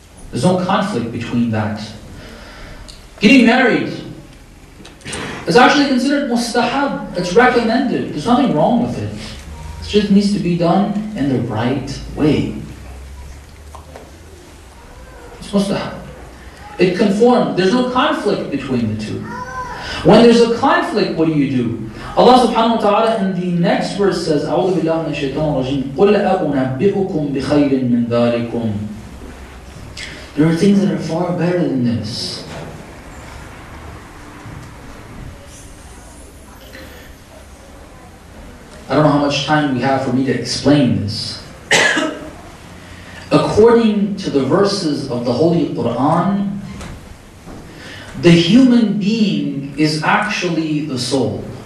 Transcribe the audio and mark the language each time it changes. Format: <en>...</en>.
<en>There's no conflict between that. Getting married is actually considered mustahab. It's recommended. There's nothing wrong with it. It just needs to be done in the right way. It's mustahab. It conforms. There's no conflict between the two. When there's a conflict, what do? Allah subhanahu wa ta'ala in the next verse says,</en> <ar>أَعُوذُ بِاللَّهِ مِنَ الشَّيْطَانِ الرَّجِيمِ قُلْ أَأُنَبِّئُكُمْ بِخَيْرٍ مِّنْ ذَلِكُمْ.</ar> <en>There are things that are far better than this. I don't know how much time we have for me to explain this. According to the verses of the Holy Quran, the human being is actually the soul.</en>